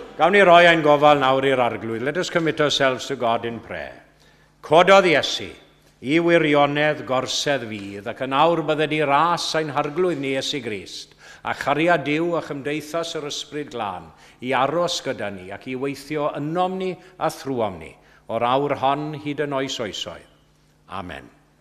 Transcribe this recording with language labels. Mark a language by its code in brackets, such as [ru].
[cy] Awn ni roi ein gofal nawr i'r arglwydd. [en] Let us commit ourselves to God in prayer. [cy] Cododd Iesu, i wirionedd gorsedd fydd, ac yn awr byddai ras ein harglwydd ni Iesu Grist, a charia Dyw a chymdeithas yr Ysbryd Glân, i aros gyda ni ac i weithio ynom ni a thrwom ni, o'r awr hon hyd yn oes oesoedd. Amen.